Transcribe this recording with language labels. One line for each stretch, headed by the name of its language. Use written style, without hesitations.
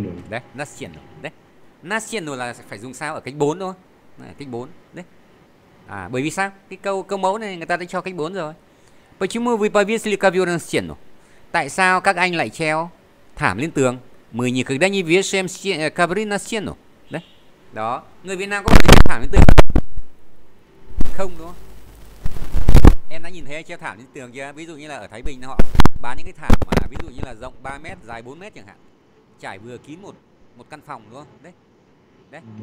Vietnamese: Đấy,
Russian: на стену.
Vietnamese: Đấy. На стену là phải dùng sao ở cách 4 thôi. Này, cách 4. Đấy. À, bởi vì sao? Cái câu câu mẫu này người ta đã cho cách 4 rồi.
Russian: Почему вы повесили ковёр на стену?
Vietnamese: Tại sao các anh lại treo thảm lên tường?
Russian: Мы никогда не вешаем ковры на стену.
Vietnamese: Đấy. Đó, người Việt Nam có phải treo thảm lên tường không? Đúng không? Em đã nhìn thấy treo thảm lên tường chưa? Ví dụ như là ở Thái Bình họ bán những cái thảm mà ví dụ như là rộng 3 mét, dài 4 mét chẳng hạn. Trải vừa kín một một căn phòng đúng không? Đấy. Đấy.